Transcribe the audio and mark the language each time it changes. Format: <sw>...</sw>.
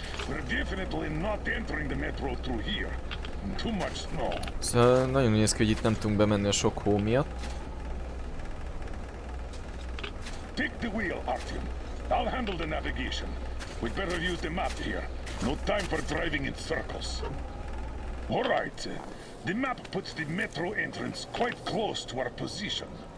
<en>We're definitely not entering the metro through here. Too much snow.</en> <hu>Szóval nagyon néz ki, hogy itt nem tudunk bemenni a sok hó miatt.</hu> <en>Take the wheel, Artyom. I'll handle the navigation. We'd better use the map here. No time for driving in circles. All right. The map puts the metro entrance quite close to our position.</en>